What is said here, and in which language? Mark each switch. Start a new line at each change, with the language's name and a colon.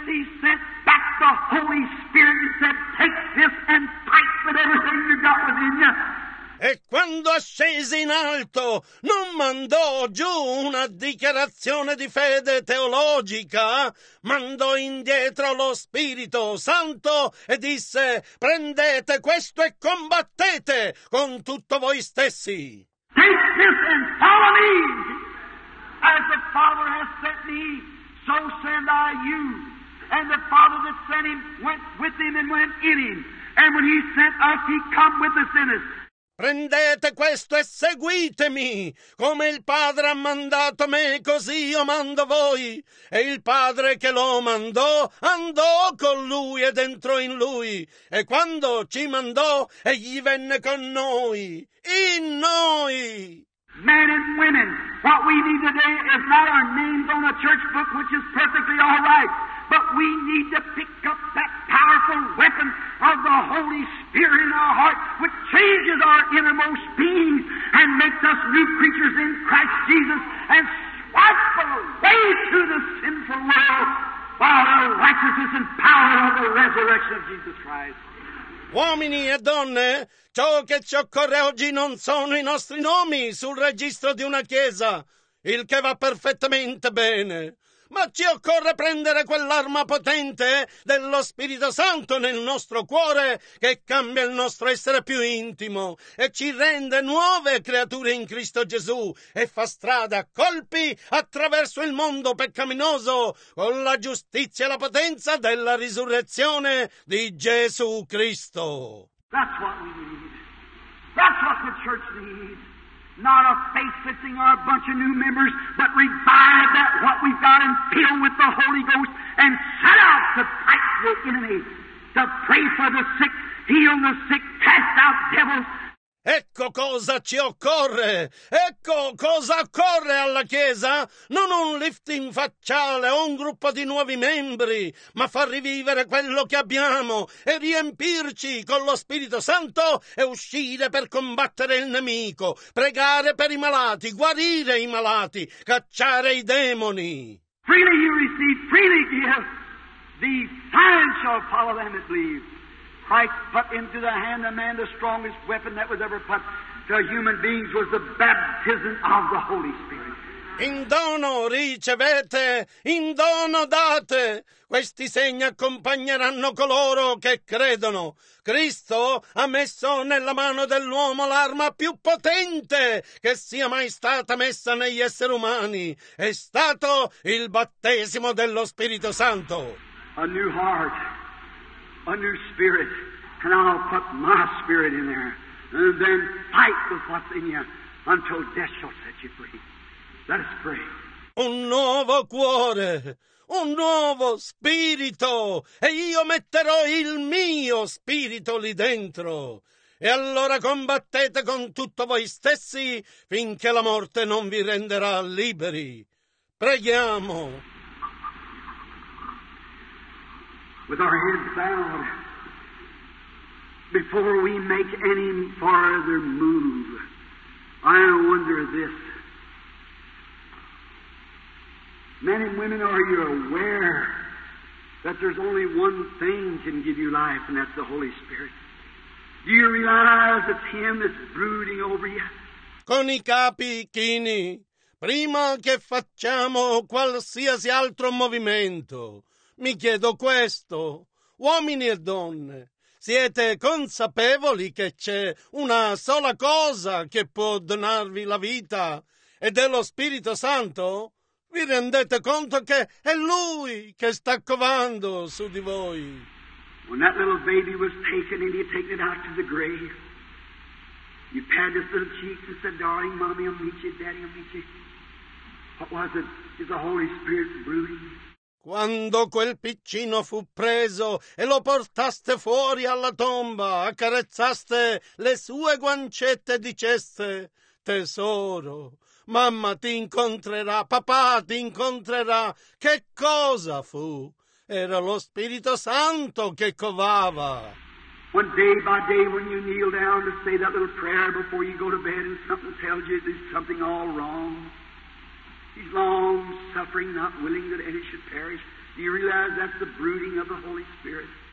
English: He sent back the Holy Spirit and said, take this and fight with everything you got within you.
Italian: E quando ascese in alto, non mandò giù una dichiarazione di fede teologica, mandò indietro lo Spirito Santo e disse, prendete questo e combattete con tutto voi stessi.
English: Take this and follow me. As the Father has sent me, so send I you. And the Father that sent him went with him and went in him. And when he sent us, he come with us in us.
Italian: Prendete questo e seguitemi, come il Padre ha mandato me, così io mando voi. E il Padre che lo mandò, andò con lui ed entrò in lui. E quando ci mandò, egli venne con noi, in noi.
English: Men and women, what we need today is not our names on a church book, which is perfectly all right, but we need to pick up that powerful weapon of the Holy Spirit in our heart, which changes our innermost being and makes us new creatures in Christ Jesus and swipes away through the sinful world by the righteousness and power of the resurrection of Jesus Christ.
Italian: Uomini e donne, ciò che ci occorre oggi non sono i nostri nomi sul registro di una chiesa, il che va perfettamente bene, ma ci occorre prendere quell'arma potente dello Spirito Santo nel nostro cuore che cambia il nostro essere più intimo e ci rende nuove creature in Cristo Gesù e fa strada a colpi attraverso il mondo peccaminoso con la giustizia e la potenza della risurrezione di Gesù Cristo.
English: That's what we need. That's what the church needs. Not a face-fixing or a bunch of new members, but revive that what we've got and fill with the Holy Ghost and set out to fight the enemy, to pray for the sick, heal the sick, cast out devils.
Italian: Ecco cosa ci occorre, ecco cosa occorre alla Chiesa, non un lifting facciale o un gruppo di nuovi membri, ma far rivivere quello che abbiamo e riempirci con lo Spirito Santo e uscire per combattere il nemico, pregare per i malati, guarire i malati, cacciare i demoni.
English: Freely you receive, freely give, the signs shall follow them that believe. Christ put into the hand of man the strongest weapon that was ever put. to human beings was the baptism of the Holy Spirit.
Italian: In dono ricevete, in dono date. Questi segni accompagneranno coloro che credono. Cristo ha messo nella mano dell'uomo l'arma più potente che sia mai stata messa negli esseri umani. È stato il battesimo dello Spirito Santo.
English: A new heart, a new spirit, and I'll put my spirit in there, and then fight with what's in you until death shall set you free. Let us pray.
Italian: Un nuovo cuore, un nuovo spirito, e io metterò il mio spirito lì dentro. E allora combattete con tutto voi stessi finché la morte non vi renderà liberi. Preghiamo.
English: With our heads bowed, before we make any farther move, I wonder this. Men and women, are you aware that there's only one thing can give you life, and that's the Holy Spirit? Do you realize it's Him that's brooding over you?
Italian: Con i capi chini, prima che facciamo qualsiasi altro movimento, mi chiedo questo, uomini e donne, siete consapevoli che c'è una sola cosa che può donarvi la vita ed è lo Spirito Santo? Vi rendete conto che è Lui che sta covando su di voi?
English: When that little baby was taken and he had taken it out to the grave, you patted his little cheeks and said, darling, mommy, I'll meet you, daddy, I'll meet you. What was it? Is the Holy Spirit brooding? Quando quel piccino fu preso e lo portaste fuori alla tomba, accarezzaste le sue guancette e diceste, tesoro, mamma ti incontrerà, papà ti incontrerà. Che cosa fu? Era lo Spirito Santo che covava. When day by day when you kneel down to say that little prayer before you go to bed and something tells you there's something all wrong. He's long suffering, not willing that any should perish. Do you realize that's the brooding of the Holy Spirit?